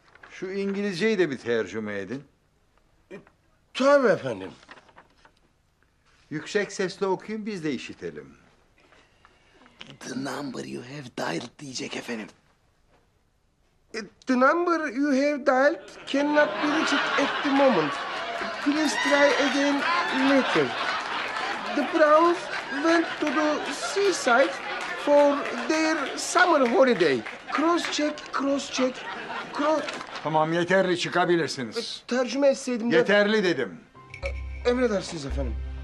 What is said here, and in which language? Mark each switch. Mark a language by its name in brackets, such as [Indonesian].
[Turkish] Şu İngilizceyi de bir tercüme edin. Tabii efendim. Yüksek sesle okuyun, biz de işitelim. [English] The number you have dialed [Turkish] diyecek efendim. [English] The number you have dialed cannot be reached at the moment. Please try again later. The Browns went to the seaside for their summer holiday. Cross check, cross check, cross... [Turkish] Tamam, yeterli, çıkabilirsiniz. Tercüme etseydim de... Yeterli dedim. Emredersiniz efendim.